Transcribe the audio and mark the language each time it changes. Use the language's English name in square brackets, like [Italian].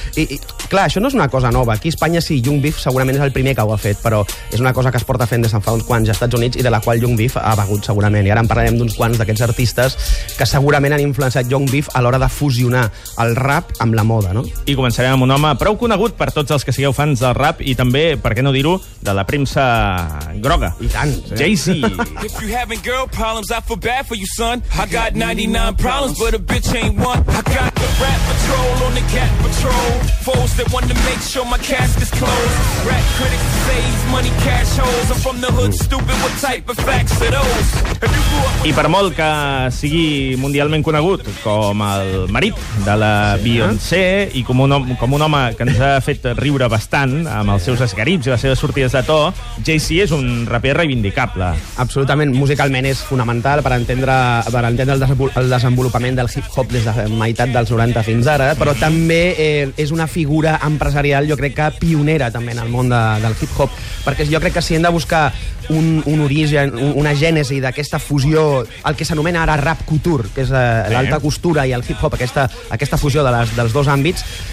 [Catalan] I clar, això no és una cosa nova. Aquí a Espanya sí, Young Beef segurament és el primer que ho ha fet, però és una cosa que es porta fent des de fa uns quants als Estats Units i de la qual Young Beef ha begut segurament. I ara parlarem d'uns quants d'aquests artistes que segurament han influenciat Young Beef a l'hora de fusionar el rap amb la moda, no? I començarem amb un home prou conegut per tots els que sigueu fans del rap i també, per què no dir-ho, de la premsa groga. I tant, sí. Jay-Z. [English] If you having girl problems, I feel bad for you, son. I got 99 problems, but a bitch ain't one. I got the rap patrol on the cat patrol. Foes that want to make sure my cask is closed. Rap critics saves money, cash holes. I'm from the hood, stupid, what type of facts are those? [Catalan] I per molt que sigui mundialment conegut com el marit de la Beyoncé i com un home que ens ha fet riure bastant amb els seus esgarips i les seves sortides de to, Jay-Z és un raper reivindicable. Absolutament, musicalment és fonamental per entendre el desenvolupament del hip-hop des de meitat dels 90 fins ara, però també és una figura empresarial, jo crec que pionera també en el món del hip-hop, perquè jo crec que si hem de buscar un origen, una gènesi d'aquesta fusió, el que s'anomena ara rap couture, que és l'alta costura i el hip-hop, aquesta fusió dels dos àmbits,